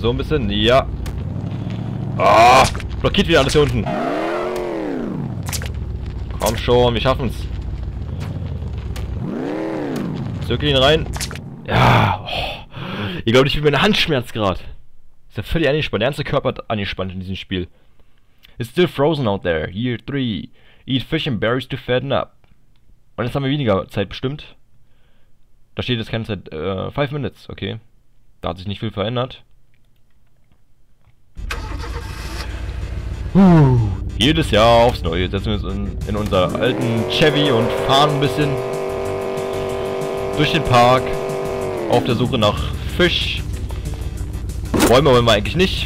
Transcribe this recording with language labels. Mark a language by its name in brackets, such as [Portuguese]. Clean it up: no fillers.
[German] So ein bisschen, ja! Oh, blockiert wieder alles hier unten! Komm schon, wir schaffen's. Zirkel ihn rein. Ja. Oh. Ich glaube, ich bin mit einer Handschmerz gerade. Ist ja völlig angespannt. Der ganze Körper hat angespannt in diesem Spiel. [English] It's still frozen out there. Year 3. Eat fish and berries to fatten up. [German] Und jetzt haben wir weniger Zeit bestimmt. Da steht jetzt keine Zeit. 5 Minutes, okay. Da hat sich nicht viel verändert. Jedes Jahr aufs Neue setzen wir uns in unser alten Chevy und fahren ein bisschen durch den Park auf der Suche nach Fisch. Bäume wollen wir eigentlich nicht.